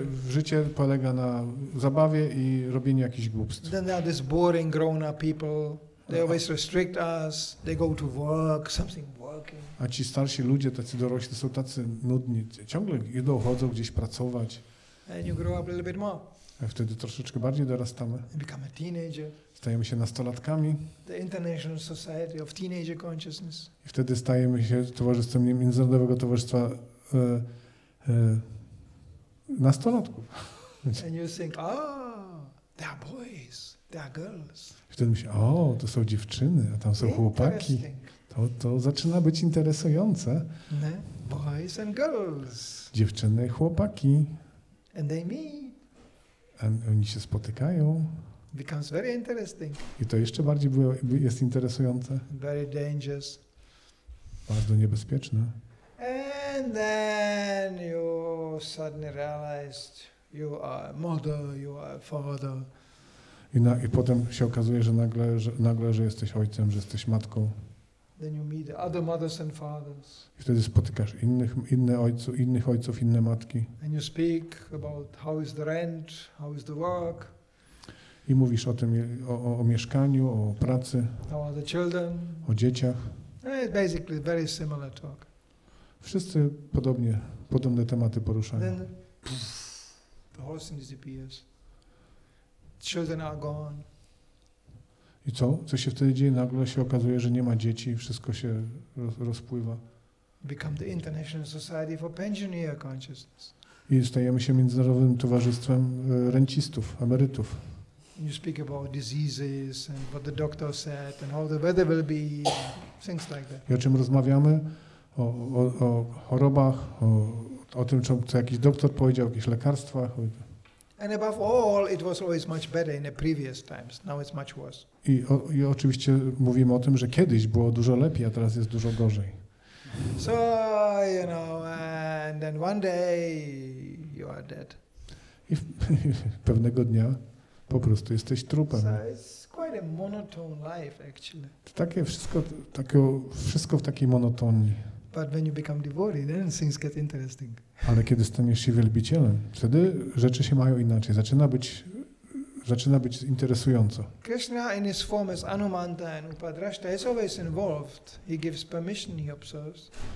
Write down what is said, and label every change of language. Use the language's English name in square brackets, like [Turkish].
[Polish] Życie polega na zabawie i robieniu jakichś głupstw. [English] Then there are these boring grown-up people. They always restrict us. They go to work, something working. [Polish] A ci starsi ludzie, tacy dorośli, są tacy nudni. Ciągle idą, chodzą gdzieś pracować. [English] And you grow up a little bit more. [Polish] A wtedy troszeczkę bardziej dorastamy. [English] You become a teenager. [Polish] Stajemy się nastolatkami. [English] The International Society of Teenager Consciousness. [Polish] I wtedy stajemy się towarzystwem Międzynarodowego Towarzystwa nastolatków. [English] And you think, oh, they are boys, they are girls. [Polish] Wtedy myślę, o, to są dziewczyny, a tam są chłopaki. To zaczyna być interesujące. [English] Ne? Boys and girls. [Polish] Dziewczyny i chłopaki. [English] And they meet. And [Polish] oni się spotykają. [English] Becomes very interesting. [Polish] I to jeszcze bardziej jest interesujące. [English] Very dangerous. [Polish] Bardzo niebezpieczne. [English] And then you suddenly realized you are a mother, you are a father. [Polish] I potem się okazuje, że nagle, że jesteś ojcem, że jesteś matką. [English] Then you meet other mothers and fathers. [Polish] I wtedy spotykasz innych ojców, inne matki. [English] And you speak about how is the rent, how is the work. [Polish] I mówisz o tym, o mieszkaniu, o pracy. [English] How are the children? [Polish] O dzieciach. [English] It's basically very similar talk. [Polish] Wszyscy podobne tematy poruszają. [English] Then the whole thing disappears. Children are gone. [Polish] I co? Co się wtedy dzieje? Nagle się okazuje, że nie ma dzieci, wszystko się rozpływa. [English] Become the International Society for Pensioner Consciousness. [Polish] I stajemy się Międzynarodowym Towarzystwem Rencistów, Emerytów. [English] You speak about diseases and what the doctor said and how the weather will be, things like that. [Polish] I o czym rozmawiamy? O chorobach, o tym, co jakiś doktor powiedział, o jakichś lekarstwach. [English] And above all, it was always much better in the previous times. Now it's much worse. [Polish] I oczywiście mówimy o tym, że kiedyś było dużo lepiej, a teraz jest dużo gorzej. [English] So, you know, and then one day you are dead. [Polish] I pewnego dnia po prostu jesteś trupem. [English] So it's quite a monotone life, actually. [Polish] Takie wszystko, takie, wszystko w takiej monotonii. [English] But when you become devoted, then things get interesting. [Polish] Ale kiedy staniesz się wielbicielem, wtedy rzeczy się mają inaczej. Zaczyna być interesująco. [English] Krishna in his form as Anumanta and Upadrashta is always involved. He gives permission, he observes.